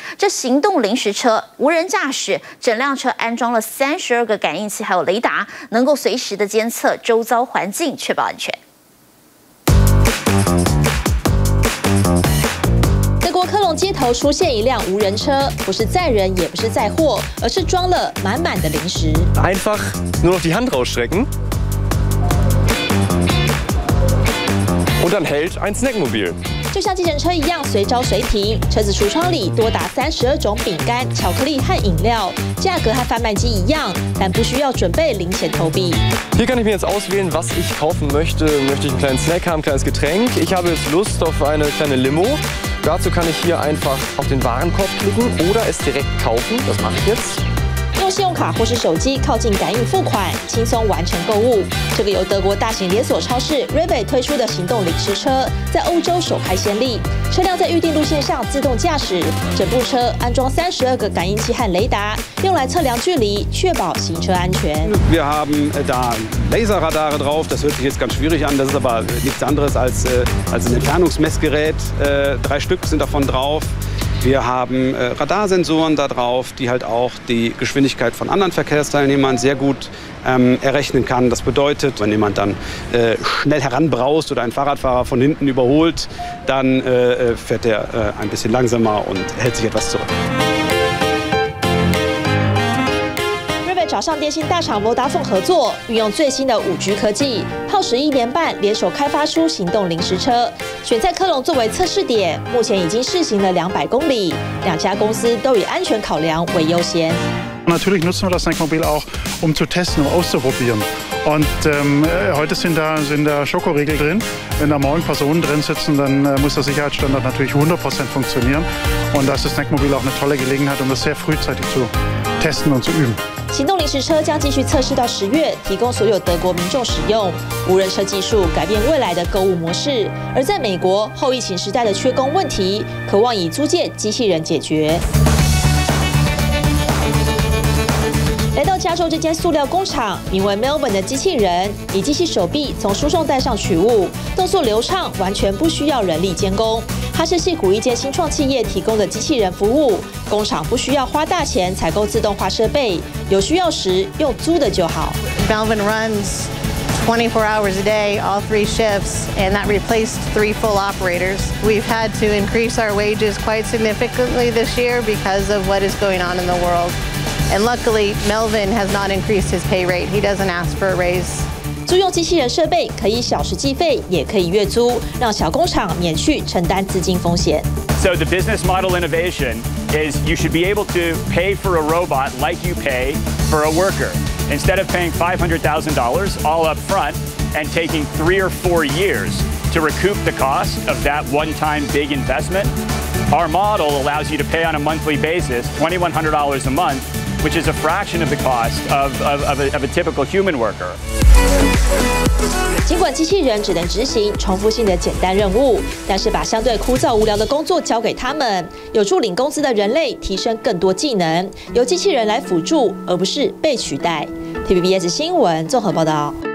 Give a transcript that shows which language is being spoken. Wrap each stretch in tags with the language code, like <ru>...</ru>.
<zh>这行动零食车无人驾驶，整辆车安装了32个感应器还有雷达，能够随时的监测周遭环境，确保安全。科隆街头出现一辆无人车，不是载人，也不是载货，而是装了满满的零食。</zh> <de>Einfach nur noch die Hand rausstrecken und dann hält ein Snackmobil。</de> <zh>就像计程车一样随招随停，车子橱窗里多达32种饼干、巧克力和饮料，价格和贩卖机一样，但不需要准备零钱投币。</zh> <de>Hier kann ich mir jetzt auswählen, was ich kaufen möchte. Möchte ich einen kleinen Snack haben, ein kleines Getränk? Ich habe jetzt Lust auf eine kleine Limo. Dazu kann ich hier einfach auf den Warenkorb klicken oder es direkt kaufen. Das mache ich jetzt.</de> <zh>用信用卡或是手机靠近感应付款，轻松完成购物。这个由德国大型连锁超市 Rewe 推出的行动零食车，在欧洲首开先例。车辆在预定路线上自动驾驶，整部车安装32个感应器和雷达，用来测量距离，确保行车安全。</zh> <de>Wir haben da Laserradare drauf. Das hört sich jetzt ganz schwierig an. Das ist aber nichts anderes als ein Entfernungsmessgerät. Drei Stück sind davon drauf. Wir haben Radarsensoren da drauf, die halt auch die Geschwindigkeit von anderen Verkehrsteilnehmern sehr gut errechnen kann. Das bedeutet, wenn jemand dann schnell heranbraust oder ein Fahrradfahrer von hinten überholt, dann fährt er ein bisschen langsamer und hält sich etwas zurück.</de> <zh>找上电信大厂 Vodafone 合作，运用最新的 5G 科技，耗时一年半联手开发出行动临时车，选在科隆作为测试点，目前已经试行了200公里，两家公司都以安全考量为优先。</zh> <de>Natürlich nutzen wir das Snackmobil auch, um zu testen, um auszuprobieren. Und heute sind da Schokoriegel drin. Wenn da morgen Personen drin sitzen, dann muss der Sicherheitsstandard natürlich 100% funktionieren. Und da ist das Snackmobil auch eine tolle Gelegenheit, um das sehr frühzeitig zu testen und zu üben.</de> <zh>行动临时车将继续测试到10月，提供所有德国民众使用。无人车技术改变未来的购物模式，而在美国，后疫情时代的缺工问题，渴望以租借机器人解决。来到加州这间塑料工厂，名为 Melbourne 的机器人以机器手臂从输送带上取物，动作流畅，完全不需要人力监工。它是矽谷一间新创企业提供的机器人服务，工厂不需要花大钱采购自动化设备，有需要时用租的就好。</zh> <en>Melbourne runs 24 hours a day, all three shifts, and that replaced three full operators. We've had to increase our wages quite significantly this year because of what is going on in the world. And luckily, Melvin has not increased his pay rate. He doesn't ask for a raise.</en> <zh>租用机器人设备可以小时计费，也可以月租，让小工厂免去承担资金风险。</zh> <en>So the business model innovation is you should be able to pay for a robot like you pay for a worker. Instead of paying $500,000 all up front and taking 3 or 4 years to recoup the cost of that one-time big investment, our model allows you to pay on a monthly basis $2,100 a month. Which is a fraction of the cost of a typical human worker.</en> <zh>尽管机器人只能执行重复性的简单任务，但是把相对枯燥无聊的工作交给他们，有助领工资的人类提升更多技能，由机器人来辅助，而不是被取代。 TVBS 新闻综合报道。</zh>